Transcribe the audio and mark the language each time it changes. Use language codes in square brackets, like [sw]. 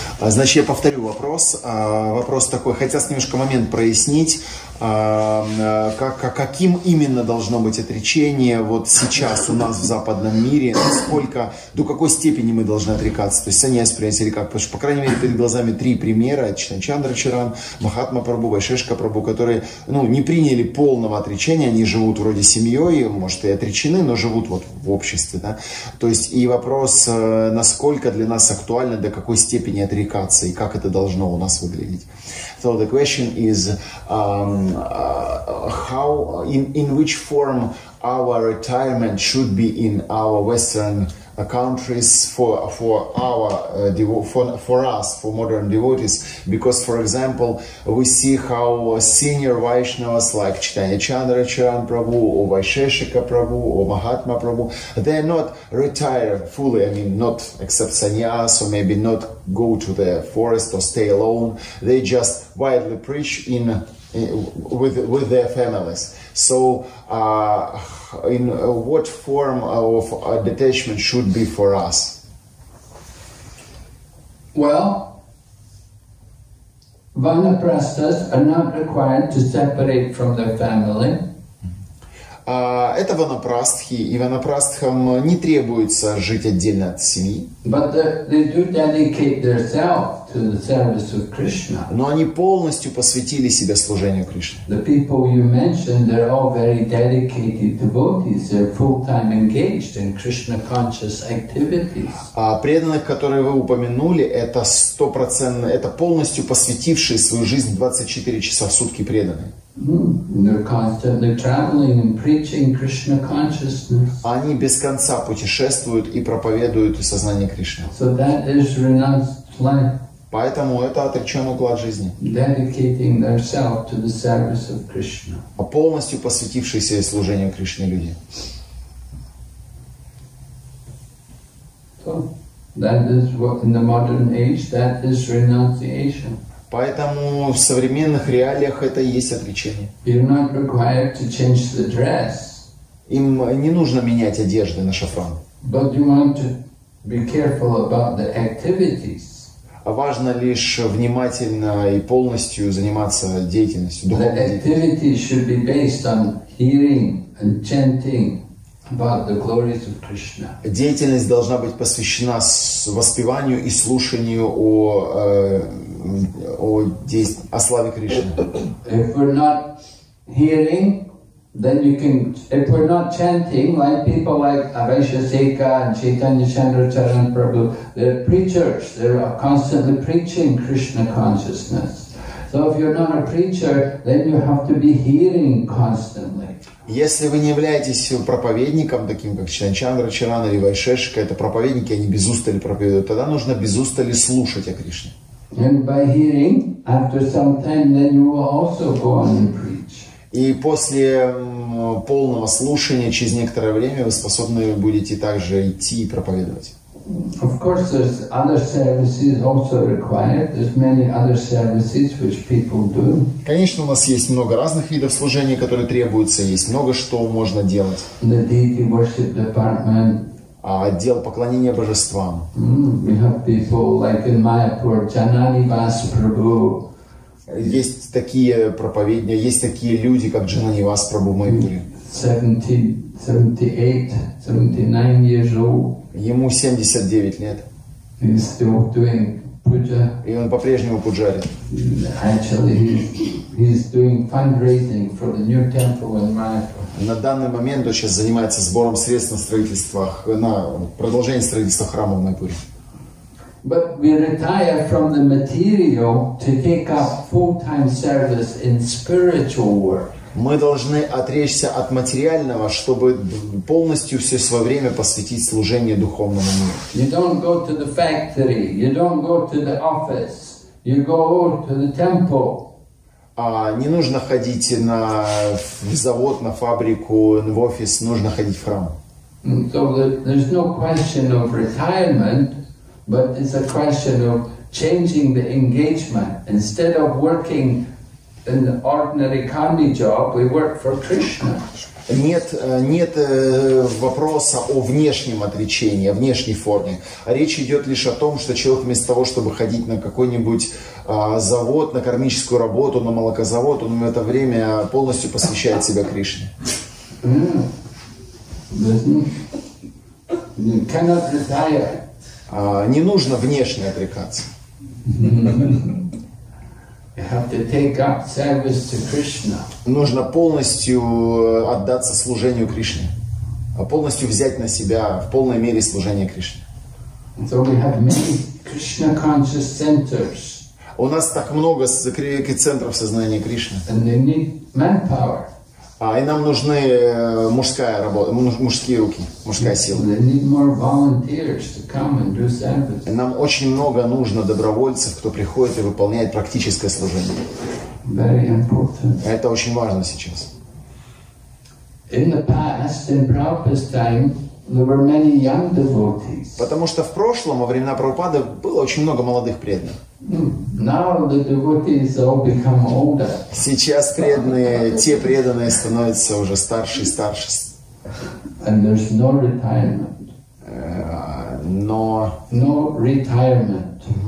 [ru] Значит, я повторю вопрос. Вопрос такой, хотелось немножко момент прояснить, каким именно должно быть отречение вот сейчас у нас в западном мире, насколько, до какой степени мы должны отрекаться, то есть саньяс принять или как, потому что, по крайней мере, перед глазами три примера, Чандра Чаран, Махатма Прабху, Вайшешка Прабху, которые, ну, не приняли полного отречения, они живут вроде семьей, может, и отречены, но живут вот в обществе, да, то есть и вопрос, насколько для нас актуально, до какой степени отрекаться и как это должно у нас выглядеть. [en] So the question is how, in which form our retirement should be in our Western countries for modern devotees, because for example we see how senior Vaishnavas like Chaitanya Chandra Charan Prabhu or Vaisheshika Prabhu or Mahatma Prabhu, they are not retired fully, I mean not accept sannyas or maybe not go to the forest or stay alone, they just widely preach in with their families. So in what form of detachment should be for us? Well, vanaprasthas are not required to separate from their family. [ru] Это ванапрастхи, и ванапрастхам не требуется жить отдельно от семьи. [en] But they do dedicate themselves to the service of Krishna. [ru] Но они полностью посвятили себя служению Кришне. [en] The people you mentioned, they're all very dedicated devotees. They're full-time engaged in Krishna-conscious activities. [ru] А преданных, которые вы упомянули, это 100%, это полностью посвятившие свою жизнь 24 часа в сутки преданные. [en] They're constantly traveling and preaching Krishna consciousness. [ru] Они без конца путешествуют и проповедуют сознание Кришны. [en] So that is renounced life. [ru] Поэтому это отречённый уклад жизни. [en] Dedicating themselves to the service of Krishna. [ru] А полностью посвятившиеся служению Кришне люди. [en] So that is what in the modern age that is renunciation. [ru] Поэтому в современных реалиях это и есть отречение. [en] You're not required to change the dress. [ru] Им не нужно менять одежды на шафран. [en] But you want to be careful about the activities. [ru] Важно лишь внимательно и полностью заниматься деятельностью, духовной деятельностью. [en] The activities should be based on hearing and chanting about the glories of Krishna. [ru] Деятельность должна быть посвящена воспеванию и слушанию о славе Кришны. [en] If we're not hearing, then you can. If we're not chanting, like people like Vaisheshika and Chaitanya Chandracharan Prabhu, they're preachers. They're constantly preaching Krishna consciousness. So if you're not a preacher, then you have to be hearing constantly. [ru] Если вы не являетесь проповедником, таким как Чанчандра, Чаран или Вайшешика, это проповедники, они без устали проповедуют, тогда нужно без устали слушать о Кришне. [en] And by hearing, after some time, then you will also go on and preach. [ru] И после полного слушания, через некоторое время, вы способны будете также идти и проповедовать. [en] Of course, there's other services also required. There's many other services which people do. [ru] Конечно, у нас есть много разных видов служения, которые требуются. Есть много, что можно делать. [en] The deity worship department. [ru] Отдел поклонения божествам. [en] We have people like in Mayapur, Jananivas Prabhu. [ru] Есть такие проповедники, есть такие люди, как Джананивас Прабхумайпури. [en] 78, 79 years old. [ru] Ему 79 лет. [en] He's still doing puja. [ru] И он по-прежнему пуджарит. [en] Actually, he's doing fundraising for the new temple in Mayapur. [ru] На данный момент он сейчас занимается сбором средств на строительство, на продолжение строительства храма в Майпуре. [en] But we retire from the material to take up full-time service in spiritual work. [ru] Мы должны отречься от материального, чтобы полностью все свое время посвятить служению духовному миру. [en] You don't go to the factory, you don't go to the office, you go to the temple. [ru] Не нужно ходить на завод, на фабрику, в офис, нужно ходить в храм. [en] So there's no question of retirement, but it's a question of changing the engagement. Instead of working an ordinary karmic job, we work for Krishna. [ru] Нет вопроса о внешнем отречении, о внешней форме. Речь идет лишь о том, что человек вместо того, чтобы ходить на какой-нибудь завод, на кармическую работу, на молокозавод, он в это время полностью посвящает себя Кришне. [en] You cannot retire. [ru] Не нужно внешне отрекаться. [en] You have to take up service to Krishna. [ru] Нужно полностью отдаться служению Кришне. Полностью взять на себя в полной мере служение Кришне. [en] So we have many Krishna conscious centers. [ru] У нас так много центров сознания Кришны. [en] And they need manpower. [ru] И нам нужны мужская работа, мужские руки, мужская сила. [en] They need more volunteers to come and do service. [ru] Нам очень много нужно добровольцев, кто приходит и выполняет практическое служение. [en] Very important. [ru] Это очень важно сейчас. [en] In the past, in Prabhupada's time, there were many young devotees. [ru] Потому что в прошлом, во времена Прабхупады, было очень много молодых преданных. [en] Now the devotees all become older. [ru] Сейчас преданные, те преданные становятся уже старше и старше. [en] And there's no retirement. No retirement.